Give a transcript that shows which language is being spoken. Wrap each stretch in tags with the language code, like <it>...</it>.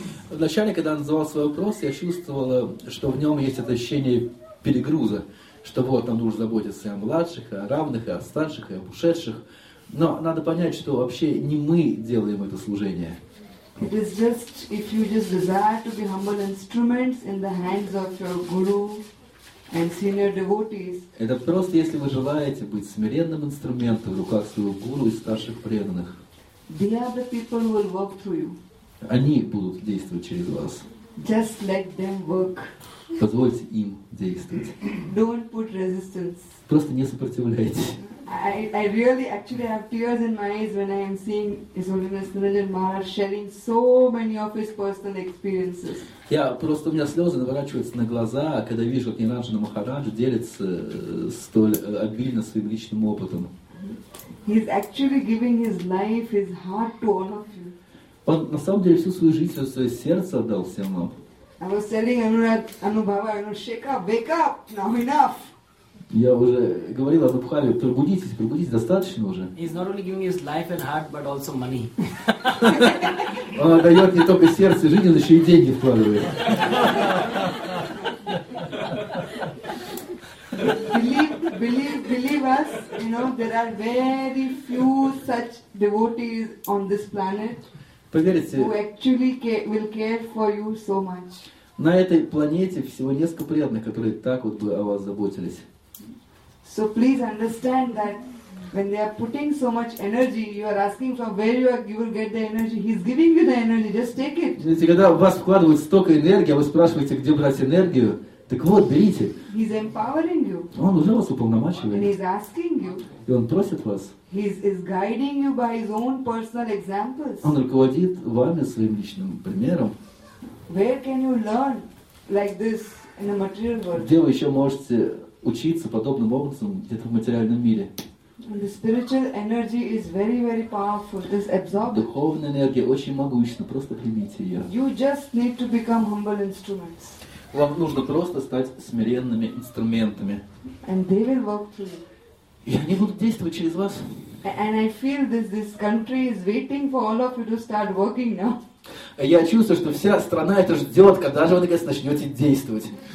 <ru>Вначале, когда она задавала свой вопрос, я чувствовала, что в нем есть это ощущение перегруза, что вот нам нужно заботиться и о младших, и о равных, и о старших, и об ушедших. Но надо понять, что вообще не мы делаем это служение.</ru> <en>It is just if you just desire to be humble instruments in the hands of your guru and senior devotees.</en> <ru>Это просто если вы желаете быть смиренным инструментом в руках своего гуру и старших преданных.</ru> <en>They are the people who will work through you.</en> <ru>Они будут действовать через вас.</ru> <en>Just let them work.</en> <ru>Позвольте им действовать.</ru> <en>Don't put resistance.</en> <ru>Просто не сопротивляйтесь.</ru> <en>I really actually have tears in my eyes when I am seeing His Holiness Niranjan Maharaj sharing so many of his personal experiences.</en> <ru>Я просто у меня слезы наворачиваются на глаза, когда вижу, как Ниранджан Махарадж делится столь обильно своим личным опытом.</ru> <en>He's actually giving his life, his heart to all of you.</en> <ru>Он на самом деле всю свою жизнь, всё своё сердце отдал всем нам.</ru> <en>I was telling Anubhava, you know, shake up, wake up, now enough.</en> <ru>Я уже говорил Анубхаве, пробудитесь, достаточно уже.</ru> <en>He's not only giving his life and heart, but also money.</en> <ru>Он отдаёт не только сердце и жизнь, он ещё и деньги вкладывает.</ru> <en>Believe us, you know, there are very few such devotees on this planet who actually will care for you so much.</en> <ru>На этой планете всего несколько преданных, которые так вот бы о вас заботились.</ru> <en>So please understand that when they are putting so much energy, you are asking from where you will get the energy. He's giving you the energy, just take it.</en> <ru>Знаете, когда в вас вкладывают столько энергии, а вы спрашиваете, где брать энергию, так вот, берите.</ru> <en>He's empowering you.</en> <ru>Он уже вас уполномачивает.</ru> <en>And he's asking you.</en> <ru>И он просит вас.</ru> <en>He's guiding you by his own personal examples.</en> <ru>Он руководит вами своим личным примером.</ru> <en>Where can you learn like this in a material world?</en> <ru>Где вы еще можете учиться подобным образом где-то в материальном мире?</ru> <en>And the spiritual energy is very, very powerful. Just absorb.</en> <ru>Духовная энергия очень могущна. Просто примите ее.</ru> <en>You just need to become humble instruments.</en> <ru>Вам нужно просто стать смиренными инструментами.</ru> <en>And they will work through you.</en> <ru>И они будут действовать через вас.</ru> <en>And I feel this country is waiting for all of you to start working now.</en> <ru>Я чувствую, что вся страна это ждет, когда же вы наконец начнете действовать.</ru>